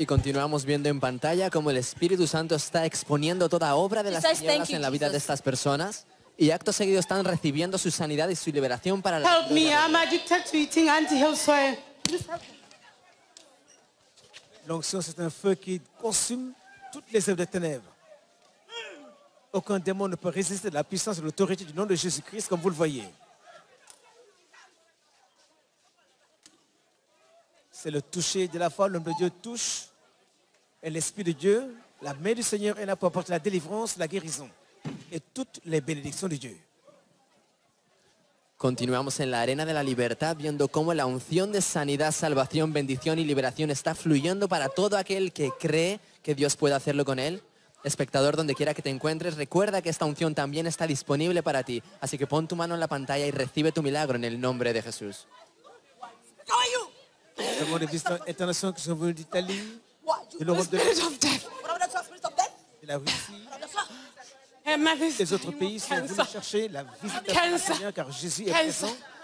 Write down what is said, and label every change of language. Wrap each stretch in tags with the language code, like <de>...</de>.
<es>Y continuamos viendo en pantalla cómo el Espíritu Santo está exponiendo toda obra de las tinieblas en la vida de estas personas. Y acto seguido están recibiendo su sanidad y su liberación para la</es> <en>Help me, I'm addicted to eating anti-health soil.</en> <fr>L'onction, c'est un feu qui consume toutes les œuvres de ténèbres. Aucun démon ne peut résister à la puissance et l'autorité du nom de Jésus-Christ, comme vous le voyez. C'est le toucher de la foi, l'homme de Dieu touche, et l'Esprit de Dieu, la main du Seigneur est là pour apporter la délivrance, la guérison. Et toutes les bénédictions de Dieu.</fr> <es>Continuamos en la arena de la libertad viendo cómo la unción de sanidad, salvación, bendición y liberación está fluyendo para todo aquel que cree que Dios puede hacerlo con él. Espectador, donde quiera que te encuentres, recuerda que esta unción también está disponible para ti. Así que pon tu mano en la pantalla y recibe tu milagro en el nombre de Jesús.</es> <fr>Les autres pays, si vous voulez chercher la visitation du Seigneur, car Jésus est présent,</fr>